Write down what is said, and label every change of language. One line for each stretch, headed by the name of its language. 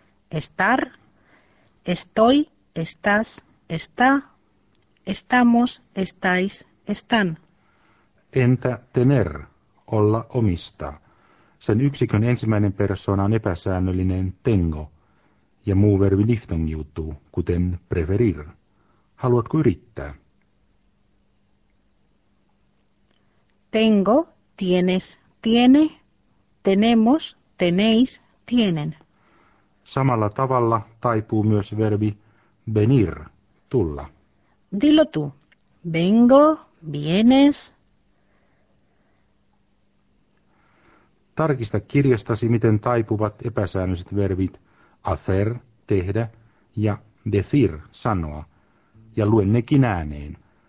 Spanish: Estar, estoy, estás, está, estamos, estáis, están.
Finnish: Entä tener, olla omistaa? Sen yksikön ensimmäinen persoona on epäsäännöllinen tengo, ja muu verbi diftongiutuu, kuten preferir. Haluatko yrittää?
Spanish: Tengo, tienes, tiene, tenemos, tenéis, tienen.
Finnish: Samalla tavalla taipuu myös verbi venir, tulla.
Spanish: Dilo tú. Vengo, vienes.
Finnish: Tarkista kirjastasi, miten taipuvat epäsäännölliset verbit hacer, tehdä, ja decir, sanoa, ja lue nekin ääneen.